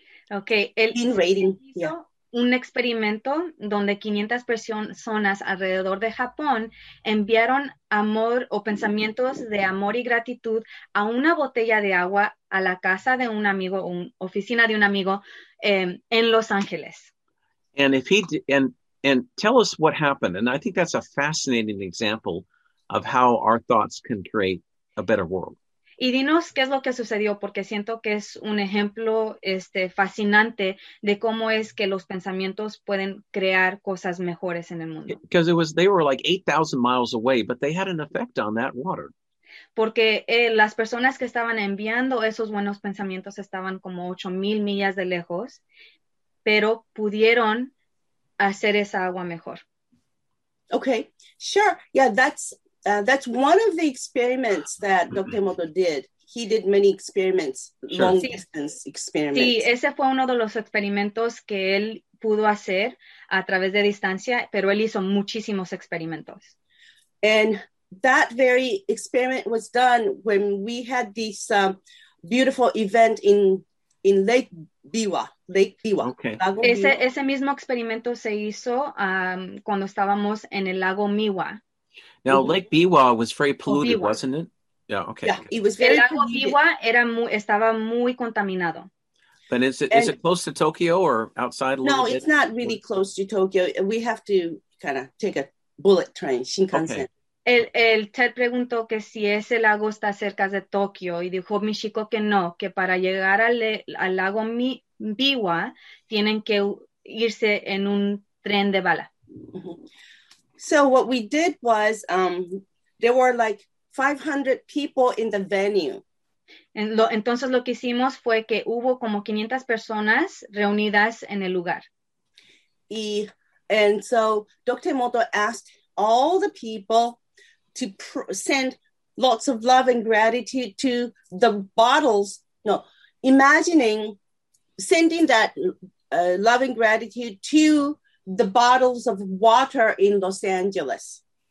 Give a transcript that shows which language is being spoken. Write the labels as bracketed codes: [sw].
[en] Okay, el in rating. [es] Un experimento donde 500 personas alrededor de Japón enviaron amor o pensamientos de amor y gratitud a una botella de agua a la casa de un amigo, un oficina de un amigo en Los Ángeles. [en] And if he and tell us what happened, and I think that's a fascinating example of how our thoughts can create a better world. [es] Y dinos qué es lo que sucedió, porque siento que es un ejemplo fascinante de cómo es que los pensamientos pueden crear cosas mejores en el mundo. [en] Because it was, they were like 8,000 miles away, but they had an effect on that water. [es] Porque las personas que estaban enviando esos buenos pensamientos estaban como 8,000 millas de lejos, pero pudieron hacer esa agua mejor. [en] Okay, sure. Yeah, that's one of the experiments that Dr. Emoto did. He did many experiments, sure. Long distance experiments. [es] Sí, ese fue uno de los experimentos que él pudo hacer a través de distancia, pero él hizo muchísimos experimentos. [en] And that very experiment was done when we had this beautiful event in Lake Biwa. Okay. [es] Ese mismo experimento se hizo cuando estábamos en el lago Miwa. [en] Now, Lake Biwa was very polluted, wasn't it? Yeah, okay. Yeah, it was very polluted. [es] El lago Biwa estaba muy contaminado. [en] But is it close to Tokyo or outside a little bit? No, it's not really close to Tokyo. We have to kind of take a bullet train, Shinkansen. Okay. [es] El Ted preguntó que si ese lago está cerca de Tokio y dijo mi chico que no, que para llegar al lago Biwa tienen que irse en un tren de bala. [en] So what we did was there were like 500 people in the venue. [es] Entonces lo que hicimos fue que hubo como 500 personas reunidas en el lugar. [en] And so Dr. Emoto asked all the people to send lots of love and gratitude to the bottles. No, imagining sending that love and gratitude to the bottles of water in Los Angeles.